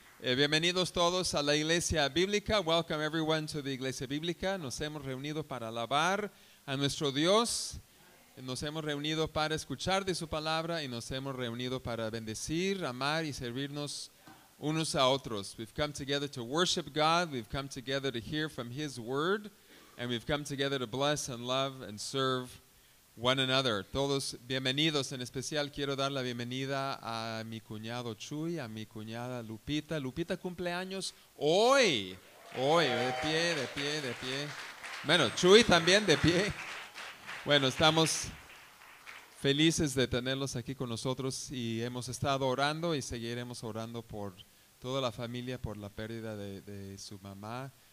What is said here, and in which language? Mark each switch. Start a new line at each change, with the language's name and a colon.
Spanish: Bienvenidos todos a la Iglesia Bíblica.
English: Welcome everyone to the Iglesia Bíblica.
Spanish: Nos hemos reunido para alabar a nuestro Dios. Nos hemos reunido para escuchar de su palabra. Y nos hemos reunido para bendecir, amar y servirnos unos a otros.
English: We've come together to worship God. We've come together to hear from His Word. And we've come together to bless and love and serve one another.
Spanish: Todos bienvenidos. En especial quiero dar la bienvenida a mi cuñado Chuy, a mi cuñada Lupita. Lupita cumple años hoy. Hoy, de pie, de pie, de pie. Bueno, Chuy también de pie. Bueno, estamos felices de tenerlos aquí con nosotros y hemos estado orando y seguiremos orando por toda la familia, por la pérdida de su mamá.